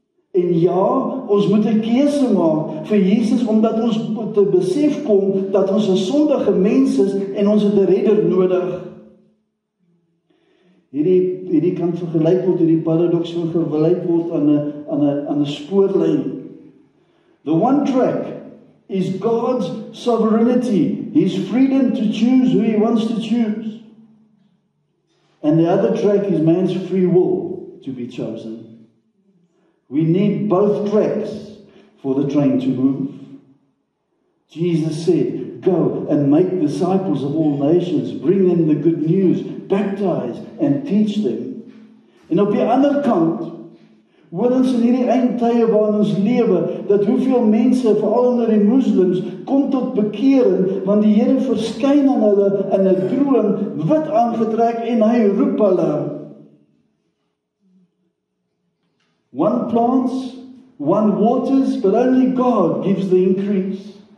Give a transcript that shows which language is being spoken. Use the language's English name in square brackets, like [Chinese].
[Afrikaans] En ja, ons moet 'n keuse maak vir Jesus omdat ons moet besef kom dat ons 'n sondige mens is en ons het 'n redder nodig. Hierdie kan vergelyk word, hierdie paradox kan vergelyk word aan 'n spoorlyn. [English] The one track is God's sovereignty, his freedom to choose who he wants to choose. And the other track is man's free will to be chosen. We need both tracks for the train to move. Jesus said, go and make disciples of all nations, bring them the good news, baptize and teach them. [Afrikaans] En op die ander kant, hoor ons in hierdie eindtye waarin ons lewe, dat hoeveel mense, veral onder die moslims, kom tot bekering, want die Here verskyn aan hulle in 'n droom, wit aangetrek en hy roep hulle. [English] One plants, one waters, but only God gives the increase.